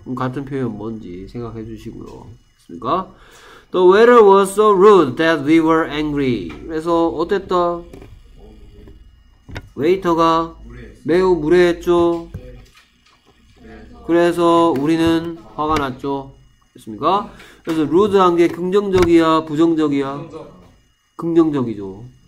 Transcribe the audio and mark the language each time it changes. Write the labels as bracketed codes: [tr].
[ko] 그럼 같은 표현 뭔지 생각해 주시고요. 됐습니까? [en] The weather was so rude that we were angry. [ko] 그래서 어땠다? 웨이터가 매우 무례했죠. 그래서 우리는 화가 났죠. 됐습니까? 그래서 rude한 게 긍정적이야, 부정적이야? 긍정적이죠.